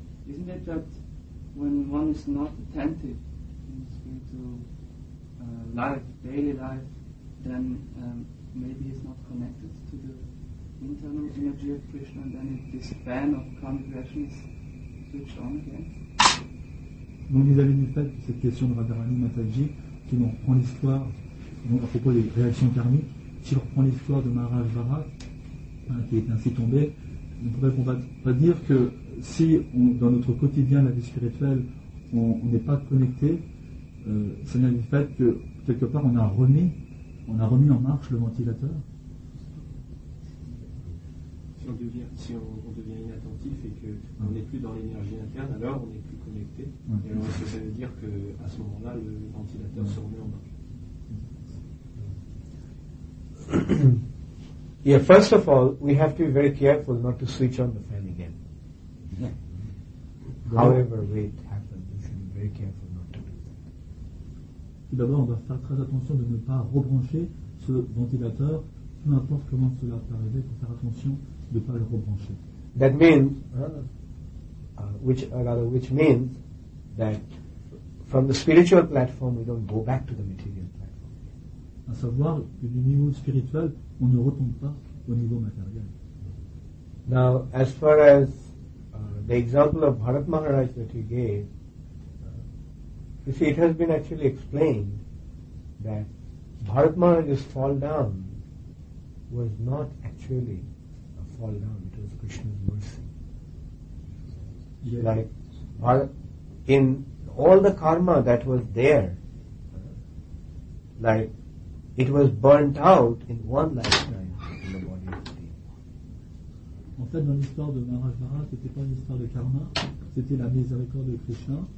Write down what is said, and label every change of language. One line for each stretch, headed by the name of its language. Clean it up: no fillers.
English: Isn't it that when one is not attentive in spiritual life, daily life, then maybe he's not connected to the internal energy of Krishna, and then this fan of karmic reactions switch on again?
French: Donc vis-à-vis du fait de cette question de Radharani Mataji, si l'on reprend l'histoire, donc à propos des réactions karmiques, si l'on reprend l'histoire de Maharaj Bharat, qui est ainsi tombé, on ne pourrait pas dire que si on, dans notre quotidien de la vie spirituelle, on n'est pas connecté, ça vient du fait que quelque part on a remis en marche le ventilateur. Si on devient inattentif et qu'on n'est plus dans l'énergie interne, alors on n'est plus connecté. Okay. Et alors est-ce que ça veut dire qu'à ce moment-là, le ventilateur se remet en marche?
English: Yeah, first of all, we have to be very careful not to switch on the fan again. However way it happens, we should be very careful not to do that.
French: D'abord, on doit faire très attention de ne pas rebrancher ce ventilateur, peu importe comment cela peut arriver, il faut faire attention de pas le rebrancher.
English: That means, which means that from the spiritual platform we don't go back to the material platform.
French: À savoir que du niveau spirituel, on ne retombe pas au niveau matériel.
English: Now, as far as the example of Bharat Maharaj that you gave, you see, it has been actually explained that Bharat Maharaj's fall down was not actually a fall down, it was Krishna's mercy. Yeah. Like, in all the karma that was there, like, it was burnt out in one lifetime in the body of the demon.
French: En fait, dans l'histoire de Maharaj Maharaj, ce n'était pas une histoire de karma, c'était la miséricorde de Krishna.